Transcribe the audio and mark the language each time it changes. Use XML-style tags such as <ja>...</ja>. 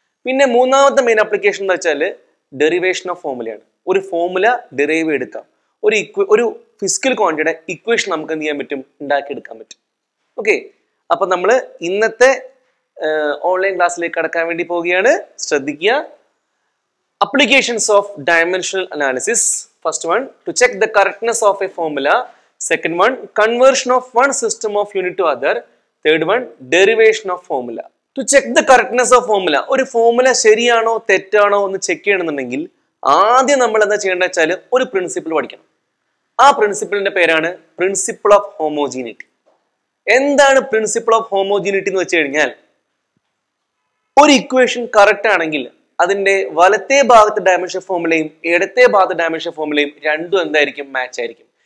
<ml>പിന്നെ മൂന്നാമത്തെ main application എന്ന് വെച്ചാൽ ഡെറിവേഷൻ ഓഫ് ഫോർമുലയാണ്. ഒരു ഫോർമുല ഡെറൈവ് എടുക്കാം, ഒരു ഫിസിക്കൽ ക്വാണ്ടിറ്റിയുടെ ഇക്വേഷൻ നമുക്ക് എന്ത് ചെയ്യാൻ പറ്റും, ഉണ്ടാക്കിയെടുക്കാൻ പറ്റും. ഓക്കെ, അപ്പം നമ്മൾ ഇന്നത്തെ ഓൺലൈൻ ക്ലാസ്സിലേക്ക് കടക്കാൻ വേണ്ടി പോവുകയാണ്. ശ്രദ്ധിക്കുക,</ml> <en>applications of dimensional analysis. First one, to check the correctness of a formula. Second one, conversion of one system of unit to other. Third one, derivation of formula. To check the correctness of formula,</en> <ml>ഒരു formula ശരിയാണോ തെറ്റാണോ എന്ന് check ചെയ്യണമെന്നുണ്ടെങ്കിൽ ആദ്യം നമ്മൾ എന്താ ചെയ്യേണ്ടത് വെച്ചാൽ ഒരു പ്രിൻസിപ്പിൾ പഠിക്കണം. ആ പ്രിൻസിപ്പിളിന്റെ പേരാണ് പ്രിൻസിപ്പിൾ ഓഫ് ഹോമോജീനിറ്റി. എന്താണ് പ്രിൻസിപ്പിൾ ഓഫ് ഹോമോജീനിറ്റി എന്ന് വെച്ച് കഴിഞ്ഞാൽ, ഒരു ഇക്വേഷൻ കറക്റ്റ് ആണെങ്കിൽ അതിന്റെ വലത്തെ ഭാഗത്ത് ഡൈമെൻഷൻ ഫോർമുലയും ഇടത്തെ ഭാഗത്ത് ഡൈമെൻഷൻ ഫോർമുലയും രണ്ടും എന്തായിരിക്കും, മാച്ച് ആയിരിക്കും.</ml>